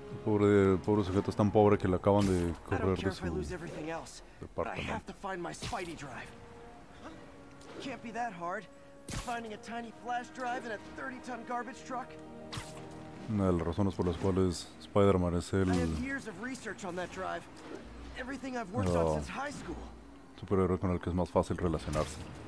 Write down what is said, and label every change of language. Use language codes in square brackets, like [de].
[es] Pobre sujeto, es tan pobre que le acaban de correr de su departamento. [en] I have to find my Spidey drive. Can't be that hard. Finding a tiny flash drive in a 30-ton garbage truck. [es] Una de las razones por las cuales Spider-Man es el... [en] I have years of research on that drive. Everything I've worked on since high school. [es] Superhéroe con el que es más fácil relacionarse.